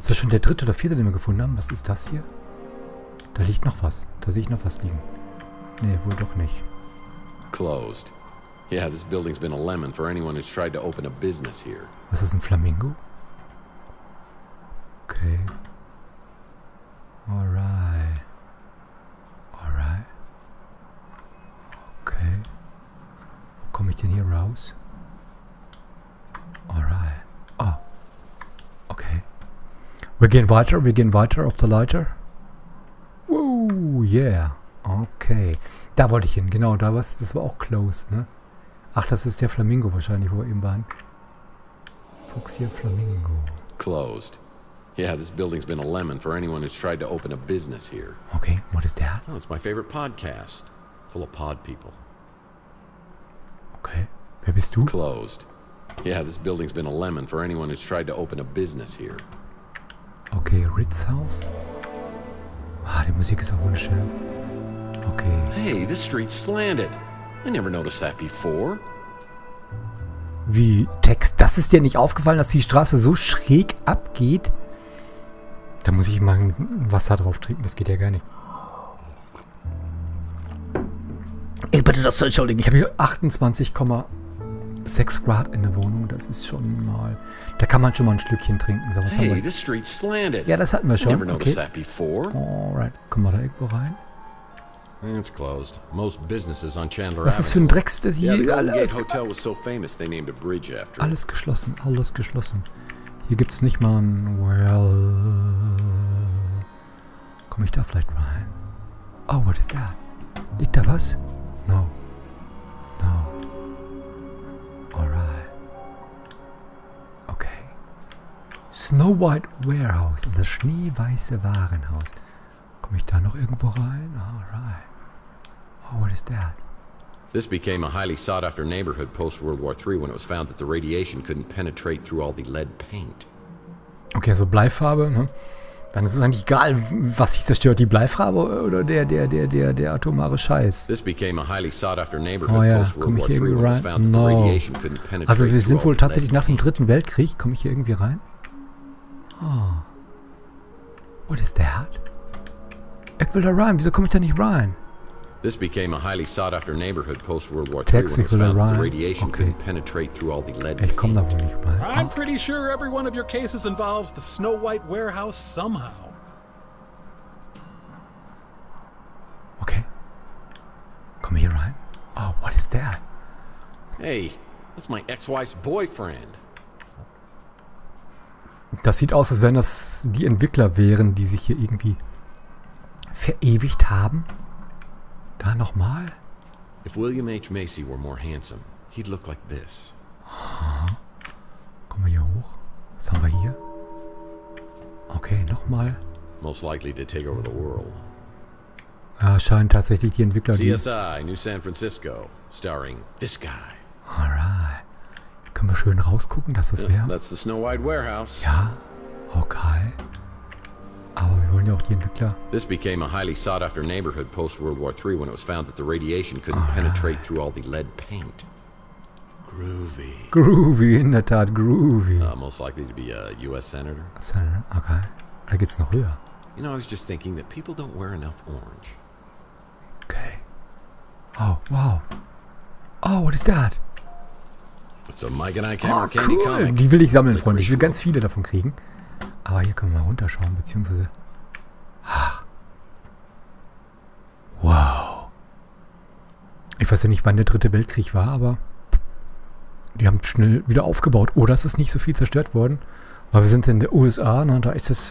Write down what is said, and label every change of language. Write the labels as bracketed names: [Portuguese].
[German] Ist das schon der dritte oder vierte, den wir gefunden haben? Was ist das hier? Da liegt noch was. Da sehe ich noch was liegen. Nee, wohl doch nicht. [English] Closed. Yeah, this building's been a lemon for anyone who's tried to open a business here. [German] Was ist ein Flamingo? [English] Okay. Alright. Okay. [German] Wo komme ich denn hier raus? Alright. Oh. Okay. Wir gehen weiter auf der Leiter. Woo, yeah. Okay. Da wollte ich hin. Genau, da war's. Das war auch closed, ne? Ach, das ist der Flamingo wahrscheinlich, wo wir eben waren. Fuchs hier, Flamingo. [English] Closed. Yeah, this building's been a lemon for anyone who's tried to open a business here. Okay, what is that? Oh, it's my favorite podcast. Full of pod people. [German] Okay, wer bist du? [English] Closed. Yeah, this building's been a lemon for anyone who's tried to open a business here. Okay, Ritz House. [German] Ah, die Musik ist auch wunderschön. [English] Okay. Hey, this street's slanted. I never noticed that before. [German] Wie, Text, das ist dir nicht aufgefallen, dass die Straße so schräg abgeht? Da muss ich mal Wasser drauf trinken, das geht ja gar nicht. Ey, bitte das zu entschuldigen, ich habe hier 28,6 Grad in der Wohnung, das ist schon mal... Da kann man schon mal ein Schlückchen trinken, so was hey, haben wir... [English] This street's slanted. [German] Ja, das hatten wir schon, [English] I never noticed that before. [German] Alright, komm mal da irgendwo rein. [English] It's closed. Most businesses on Chandler [German] Was ist das für ein Drecksteil hier? [English] Yeah, the Golden Gate Hotel was so famous, they named a bridge after it. [German] Alles geschlossen. Hier gibt's nicht mal ein... Well... Komm ich da vielleicht rein? [English] Oh, what is that? [German] Liegt da was? [English] No. No. Alright. Okay. Snow White Warehouse. [German] Das schneeweiße Warenhaus. Komm ich da noch irgendwo rein? [English] Alright. Oh, what is that? This became a highly sought-after neighborhood post-World War III when it was found that the radiation couldn't penetrate through all the lead paint. [German] Okay, also Bleifarbe, ne? Dann ist es eigentlich egal, was sich zerstört, die Bleifarbe oder der atomare Scheiß. [English] This became a highly sought-after neighborhood [German] oh ja, komm ich hier irgendwie rein? No. Also wir sind wohl tatsächlich nach dem Dritten Weltkrieg. Komme ich hier irgendwie rein? Oh. [English] What is that? [German] Ich will da rein, wieso komme ich da nicht rein? [English] This became a highly sought-after neighborhood post-World War III when it was found that the radiation couldn't penetrate through all the lead paint. [German] Ich komm da wohl nicht rein. [English] I'm pretty sure every one of your cases involves the Snow White Warehouse somehow. Okay. [German] Komm hier rein. [English] Oh, what is that? Hey, that's my ex-wife's boyfriend. [German] Das sieht aus, als wenn das die Entwickler wären, die sich hier irgendwie verewigt haben. Da nochmal? [English] If William H. Macy were more handsome, he'd look like this. [German] Komm mal hier hoch. Was haben wir hier? Okay, nochmal. [English] Most likely to take over the world. [German] Ah, scheint tatsächlich die Entwickler die... [English] CSI, New San Francisco, starring this guy. Alright. [German] Können wir schön rausgucken, dass das wäre? [English] That's the Snow White Warehouse. [German] Ja, okay. Aber wir wollen ja auch die Entwickler. [English] This became a highly sought-after neighborhood post-World War III when it was found that the radiation couldn't penetrate through all the lead paint. Groovy. [German] Groovy, in der Tat, groovy. [English] Most likely to be a U.S. Senator. [German] Senator, okay. Da geht's noch höher. [English] You know, I was just thinking that people don't wear enough orange. Okay. Oh, wow. Oh, what is that? It's a Mike and I camera candy cool. comic. [German] Die will ich sammeln, Freunde. Ich will ganz viele davon kriegen. Aber hier können wir mal runterschauen, beziehungsweise... Ach. Wow. Ich weiß ja nicht, wann der Dritte Weltkrieg war, aber... Die haben schnell wieder aufgebaut. Oder ist es nicht so viel zerstört worden? Weil wir sind in den USA, ne? Da ist es...